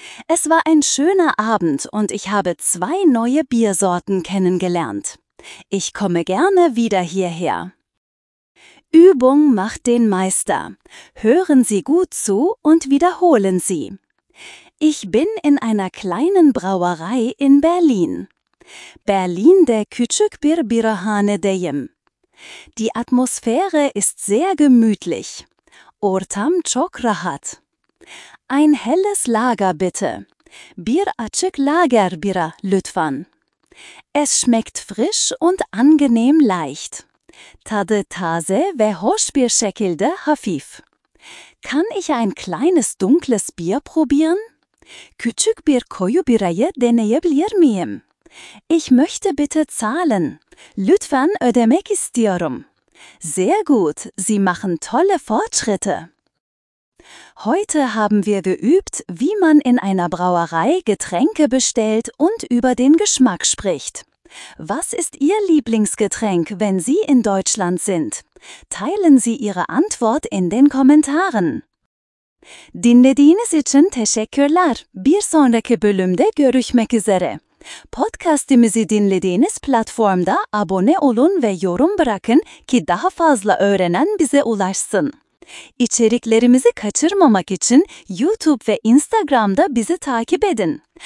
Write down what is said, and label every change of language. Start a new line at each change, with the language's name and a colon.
German: Es war ein schöner Abend und ich habe zwei neue Biersorten kennengelernt. Ich komme gerne wieder hierher. Übung macht den Meister. Hören Sie gut zu und wiederholen Sie. Ich bin in einer kleinen Brauerei in Berlin.
Turkish: Berlin de küçük bir birahanedeyim.
German: Die Atmosphäre ist sehr gemütlich.
Turkish: Ortam çok rahat.
German: Ein helles Lager bitte.
Turkish: Bir açık lager bira lütfen.
German: Es schmeckt frisch und angenehm leicht.
Turkish: Tadı taze ve hoş bir şekilde hafif.
German: Kann ich ein kleines dunkles Bier probieren?
Turkish: Küçük bir koyu birayı deneyebilir miyim?
German: Ich möchte bitte zahlen.
Turkish: Lütfen ödemek istiyorum.
German: Sehr gut, Sie machen tolle Fortschritte. Heute haben wir geübt, wie man in einer Brauerei Getränke bestellt und über den Geschmack spricht. Was ist Ihr Lieblingsgetränk, wenn Sie in Deutschland sind? Teilen Sie Ihre Antwort in den Kommentaren.
Turkish: Dinlediğiniz için teşekkürler. Bir sonraki bölümde görüşmek üzere. Podcast'imizi dinlediğiniz platformda abone olun ve yorum bırakın ki daha fazla öğrenen bize ulaşsın. İçeriklerimizi kaçırmamak için YouTube ve Instagram'da bizi takip edin.